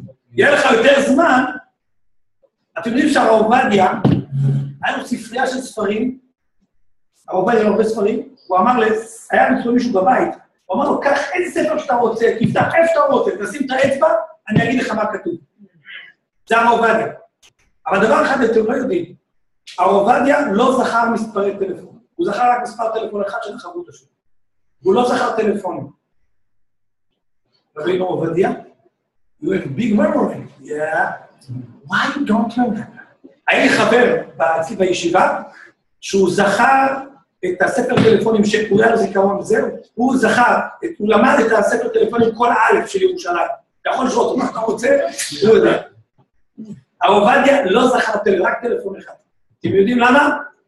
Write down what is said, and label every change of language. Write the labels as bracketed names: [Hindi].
[Hebrew] יהיה לך יותר זמן, אתם יודעים שהרעובדיה, היה לו ספרייה של ספרים, הרבה היה לו הרבה ספרים, הוא אמר לי, היה מצלו מישהו בבית, הוא אמר לו, קח איזה ספר שאתה רוצה, תפתח איפה שאתה רוצה, תשים את האצבע, אני אגיד לך מה כתוב. זה הרב עובדיה. אבל דבר אחד אתם לא יודעים, הרב עובדיה לא זכר מספרי טלפון, הוא זכר רק מספר טלפון אחד של חברות השם. הוא לא זכר טלפונים. [English] רבי הרב עובדיה, you have a big memory. Yeah. Why don't you remember? [Hebrew] היה לי חבר אצלי בישיבה, שהוא זכר את הספר טלפונים שקוראי על זיכרון וזהו, הוא זכר, הוא למד את הספר טלפונים כל האלף של ירושלים. אתה יכול לשאול אותו מה אתה רוצה? לא יודע. הרב עובדיה לא זכר רק טלפון אחד. אתם יודעים למה?